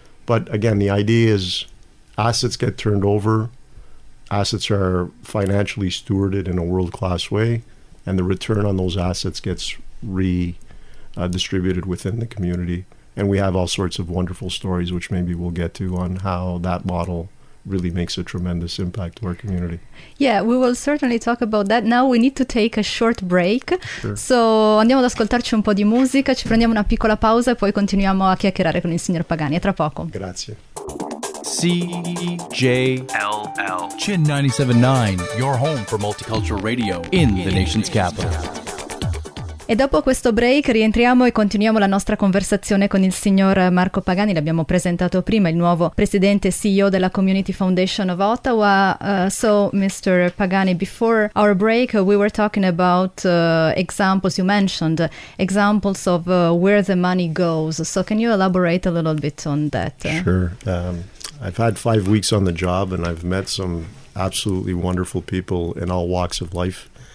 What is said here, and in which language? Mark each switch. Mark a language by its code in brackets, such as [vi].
[en] But again, the idea is assets get turned over, assets are financially stewarded in a world-class way, and the return on those assets gets redistributed within the community. And we have all sorts of wonderful stories, which maybe we'll get to, on how that model really makes a tremendous impact to our community. Yeah, we will certainly talk about that. Now we need to take a short break. Sure. [it] So andiamo ad ascoltarci un po' di musica, ci prendiamo una piccola pausa e poi continuiamo a chiacchierare con il signor Pagani. A tra poco. Grazie. [en] CJLL Chin 97.9, your home for multicultural radio in the nation's capital. [it] E dopo questo break rientriamo e continuiamo la nostra conversazione con il signor Marco Pagani. L'abbiamo presentato prima, il nuovo presidente e CEO della Community Foundation of Ottawa. [en] So, Mr. Pagani, before our break, we were talking about examples. You mentioned examples of where the money goes. So, can you elaborate a little bit on that? Sure. I've had 5 weeks on the job, and I've met some absolutely wonderful people in all walks of life.